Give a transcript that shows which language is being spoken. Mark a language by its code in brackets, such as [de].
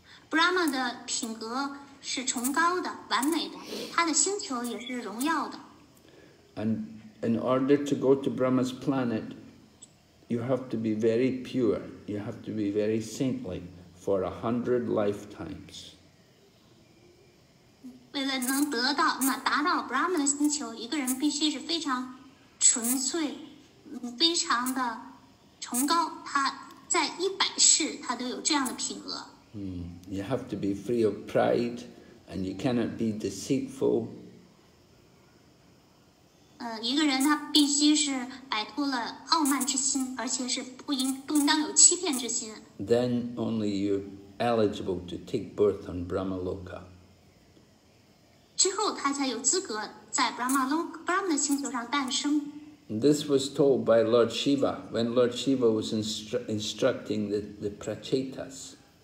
[zh] Brahma 的品格是崇高的、完美的，他的星球也是荣耀的。 [en] And in order to go to Brahma's planet, you have to be very pure, you have to be very saintly for 100 lifetimes. [zh] 为了能得到那达到 Brahma 的星球，一个人必须是非常纯粹，非常的崇高。他在100世，他都有这样的品格。 [en] You have to be free of pride, and you cannot be deceitful. [zh] 一个人他必须是摆脱了傲慢之心，而且是不应当有欺骗之心。 [en] Then only you're eligible to take birth on Brahmaloka. [zh] 之后他才有资格在 Brahma 的星球上诞生。 [en] This was told by Lord Shiva when Lord Shiva was instructing the Prachetas.